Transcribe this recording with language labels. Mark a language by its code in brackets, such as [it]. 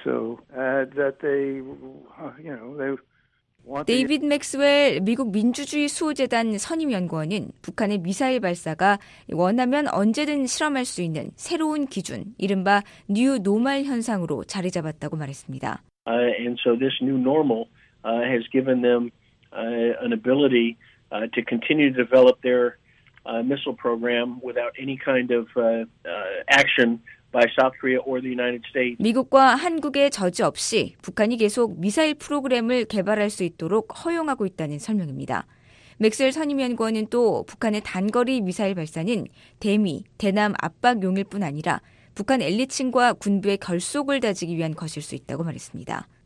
[en] So that they, you know, they want. [ko] 데이비드 맥스웰 미국 민주주의 수호재단 선임 연구원은 북한의 미사일 발사가 원하면 언제든 실험할 수 있는 새로운 기준, 이른바 뉴 노멀 현상으로 자리 잡았다고 말했습니다. [en] And so this new normal has given them an ability to continue to develop their missile program without any kind of action by South Korea or the United States. [ko] 미국과 한국의 저지 없이 북한이 계속 미사일 프로그램을 개발할 수 있도록 허용하고 있다는 설명입니다. 맥스웰 선임연구원은 또 북한의 단거리 미사일 발사는 대미, 대남 압박용일 뿐 아니라 북한 엘리층과 군부의 결속을 다지기 위한 것일 수 있다고 말했습니다.